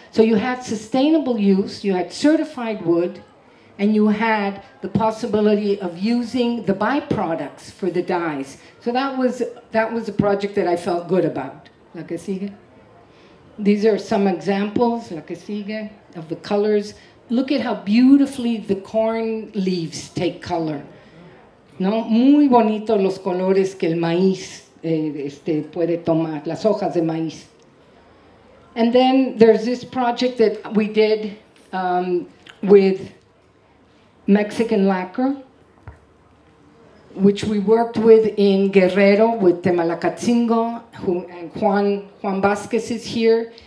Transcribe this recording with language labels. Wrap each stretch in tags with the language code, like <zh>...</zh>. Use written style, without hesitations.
<en>So you had sustainable use, you had certified wood, and you had the possibility of using the byproducts for the dyes. So that was a project that I felt good about. La que sigue. These are some examples, la que sigue, of the colors. Look at how beautifully the corn leaves take color.</en> <es>No, muy bonito los colores que el maíz puede tomar, las hojas de maíz.</es> <en>And then there's this project that we did with Mexican lacquer, which we worked with in Guerrero with Temalacatzingo, who, and Juan Vasquez is here.</en>